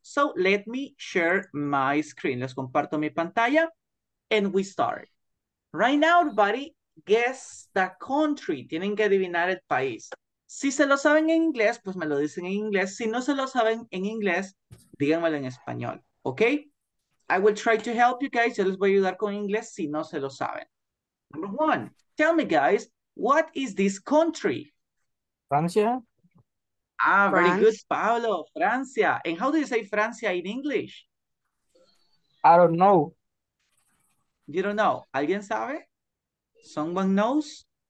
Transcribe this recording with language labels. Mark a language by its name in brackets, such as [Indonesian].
[English] So let me share my screen. [Spanish] Les comparto mi pantalla [English] and we start. Right now, everybody, guess the country. [Spanish] Tienen que adivinar el país. Si se lo saben en inglés, pues me lo dicen en inglés. Si no se lo saben en inglés, díganmelo en español. [English] Okay, I will try to help you guys. [Spanish] Yo les voy a ayudar con inglés si no se lo saben. [English] Number one, tell me, guys, what is this country? [Spanish] Francia, [English] Ah, very good, France. Pablo, Francia. And how do you say Francia in English? I don't know. You don't know. [Spanish] ¿Alguien sabe? [English] Someone knows?